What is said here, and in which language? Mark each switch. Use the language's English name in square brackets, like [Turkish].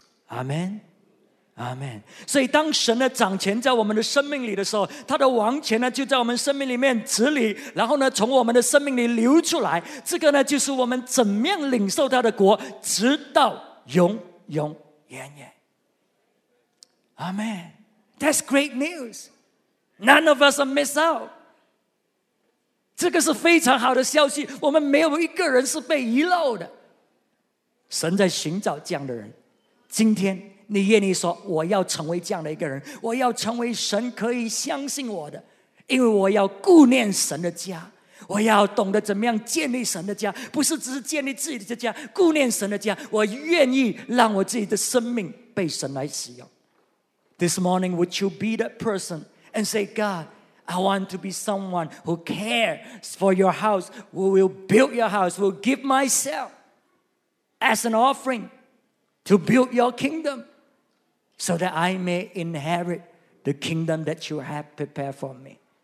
[English] Amen. Amen. [Chinese] 所以当神的掌权在我们的生命里的时候，他的王权呢就在我们生命里面治理，然后呢从我们的生命里流出来，这个呢就是我们怎么样领受他的国直到永永远远。 [English] Amen. That's great news. None of us are missed out. [Chinese] 这个是非常好的消息，我们没有一个人是被遗漏的。神在寻找这样的人。今天你愿意说我要成为这样的一个人，我要成为神可以相信我的，因为我要顾念神的家，我要懂得怎么样建立神的家，不是只是建立自己的家，顾念神的家，我愿意让我自己的生命被神来使用。 [English] This morning, would you be that person and say, God, I want to be someone who cares for your house, who will build your house, who will give myself as an offering to build your kingdom so that I may inherit the kingdom that you have prepared for me.